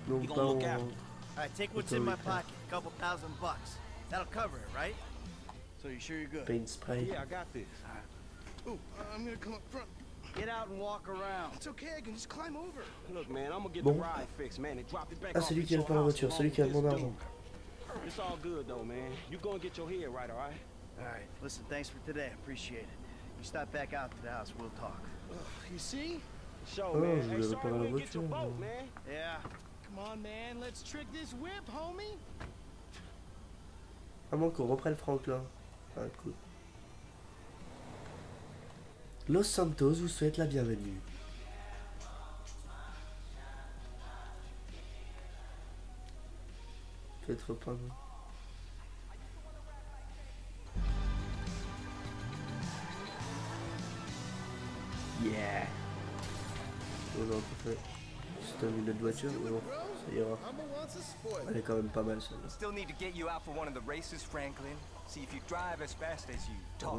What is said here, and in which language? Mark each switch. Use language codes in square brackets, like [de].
[en] He gonna look after. All right, take what's in my pocket. A couple thousand bucks. That'll cover it, right? So you sure you're good? Paint spray. Yeah, I got this. Ooh, I'm gonna come up front. Get out and walk around. It's okay, I can just climb over. Look, man, I'm gonna get the ride fixed, man. It dropped it back. [fr] Ah, celui qui a pas la voiture, celui qui a mon argent. [en] It's all good though, man. You go and get your hair right, alright? Alright, listen, thanks for today. Appreciate it. You stop back out to the house, we'll talk. Ugh, you see? Show me. Hey, sorry, we didn't get your boat, man. Yeah. Come on, man, let's trick this whip, homie. [fr] À moins qu'on reprenne Franklin. Ah, cool. Los Santos vous souhaite la bienvenue. Peut-être pas non. [en] Yeah. [fr] Oh non, parfait. C'est une autre voiture, mais bon, ça ira. Elle est quand même pas mal celle-là. [en] Still need to get you out for one of the races, Franklin. See if you drive as fast as you talk.